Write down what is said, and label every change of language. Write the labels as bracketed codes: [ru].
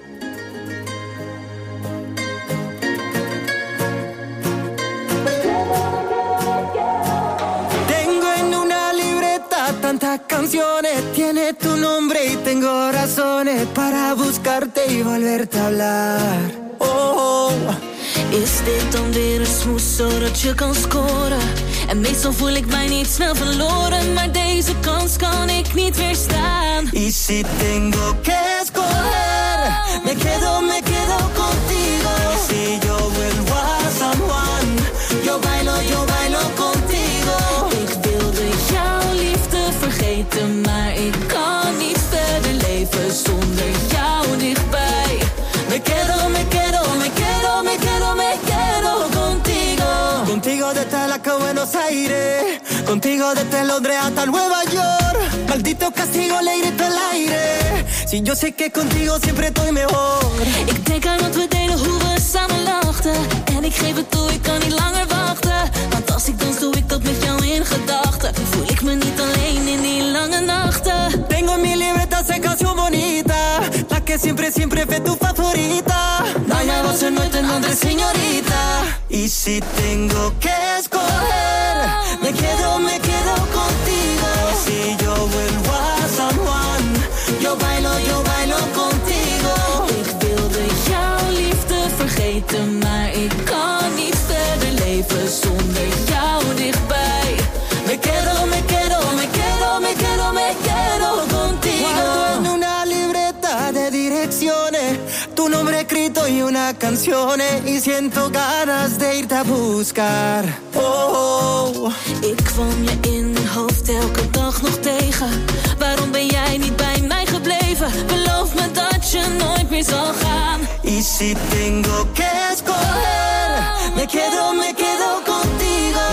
[es] Tengo en una libreta tantas canciones. Tiene tu nombre y tengo razones para buscarte y volverte a hablar. Oh, oh. [nl] Is dit dan weer een smoes zodat je kan scoren? En meestal voel ik mij niet snel verloren, maar deze kans kan ik niet weerstaan. [es] Y si tengo que escoger, me quedo contigo. Si yo vuelvo a San Juan, yo bailo contigo. [nl] Ik wilde jouw liefde vergeten, maar ik kan niet verder leven zonder jou dichtbij. [es] Me quedo, me quedo, me quedo, me quedo, me quedo contigo. Contigo desde la que Buenos Aires, contigo desde Londres hasta Nueva York. Maldito castigo, le grito al aire. Si yo sé que contigo siempre estoy mejor. [nl] Ik denk aan wat we deden, hoe we samen lachten. En ik geef het toe, ik kan niet langer wachten. Want als ik dans, doe ik dat met jou in gedachten. Voel ik me niet alleen in die lange nachten. [es] Tengo mi libertad, esa canción bonita. La que siempre, siempre fue tu favorita. Dame a vos en nuestro nombre, señorita. Y si tengo que escoger, me quedo contigo. Si yo vuelvo a San Juan, yo bailo contigo. [nl] Ik wilde jouw liefde vergeten, maar ik kan niet verder leven zonder jou dichtbij. [es] Me quedo, me quedo, me quedo, me quedo, me quedo contigo. Guardo en una libreta de direcciones tu nombre escrito y una canción. Y siento ganas de irte a buscar. Oh, oh. [nl] Ik kwam je in mijn hoofd elke dag nog tegen. Waarom ben jij niet bij mij gebleven? Beloof me dat je nooit meer zal gaan. [es] Y si tengo que escoger, me quedo contigo.